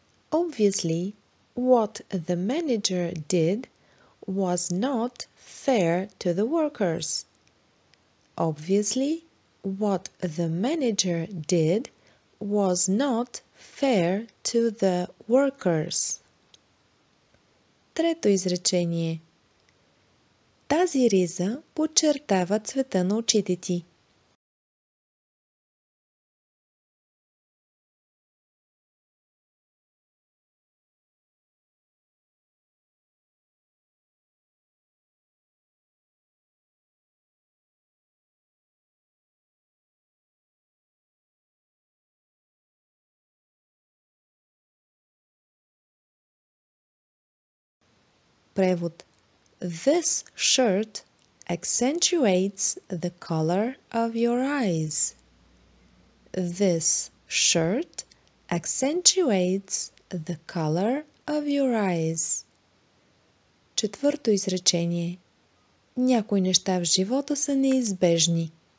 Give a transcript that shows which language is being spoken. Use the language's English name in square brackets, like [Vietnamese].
[English] Obviously, what the manager did was not fair to the workers. Obviously, what the manager did was not fair to the workers. [Bulgarian] Трето изречение. Тази риза подчертава цвета на очите ти. Превод. [English] This shirt accentuates the color of your eyes. This shirt accentuates the color of your eyes. [Bulgarian] Четвърто изречение. Някои неща в живота са неизбежни.